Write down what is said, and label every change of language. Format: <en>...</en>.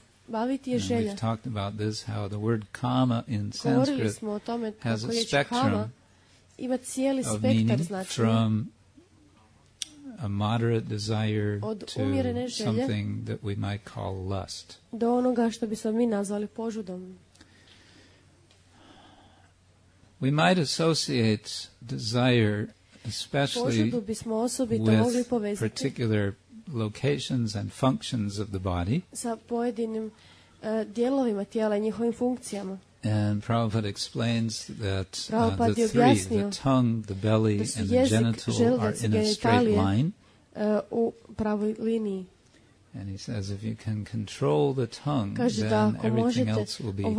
<en>We've talked about this, how the word kama in Sanskrit has a spectrum of meaning from a moderate desire to something that we might call lust.</en> <hr>Do onoga što bismo mi nazvali požudom.</hr> <en>We might associate desire especially with particular locations and functions of the body.</en> <hr>Sa pojedinim dijelovima tijela i njihovim funkcijama.</hr> <en>And Prabhupada explains that the three, the tongue, the belly, and the genital are in a straight line.</en> <hr>U pravoj liniji.</hr> <en>And he says if you can control the tongue, then everything else will be controlled.</en>